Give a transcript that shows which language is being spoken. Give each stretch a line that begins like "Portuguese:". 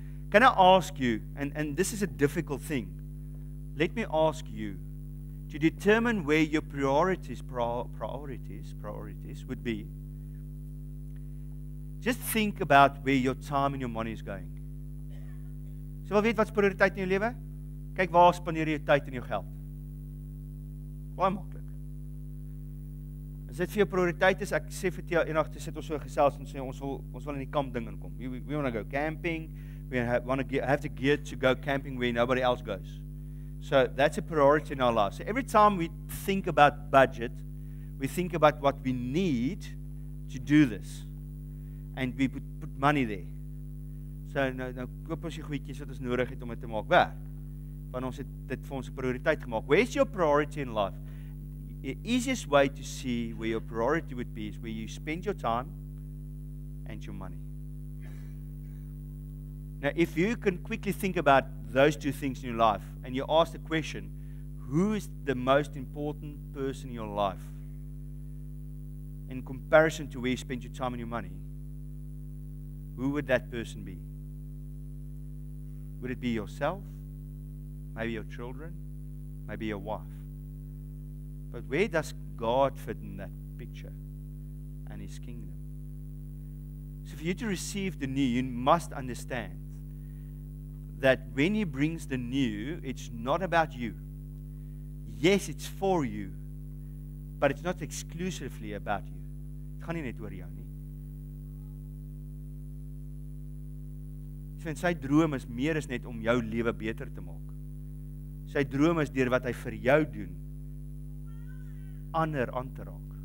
English: Can I ask you, and this is a difficult thing, let me ask you to determine where your priorities would be. Just think about where your time and your money is going.
Afrikaans: So wil weet wat is prioriteit in jou lewe? Kyk waar spandeer jy jou tyd en jou geld. Baie maklik. As dit vir jou prioriteit is, ek sê vir jou eendag te sit ons so gesels en sê ons wil in die kamp ding inkom.
English: We want to go camping. We have to go camping where nobody else goes. So that's a priority in our lives. So every time we think about budget, we think about what we need to do this. And we put money there.
Afrikaans: So nou koop ons die goedjies wat ons nodig het om dit te maak werk. Want ons het dit vir ons 'n prioriteit gemaak.
English: Where's your priority in life? The easiest way to see where your priority would be is where you spend your time and your money. Now, if you can quickly think about those two things in your life, and you ask the question, who is the most important person in your life in comparison to where you spend your time and your money, who would that person be? Would it be yourself? Maybe your children? Maybe your wife? But where does God fit in that picture and His kingdom? So for you to receive the new, you must understand that when He brings the new, it's not about you. Yes, it's for you, but it's not exclusively about you.
Afrikaans: Dit gaan nie net oor jou nie. Sy droom is meer as net om jou lewe beter te maak. Sy droom is deur wat hy vir jou doen, ander aan te raak.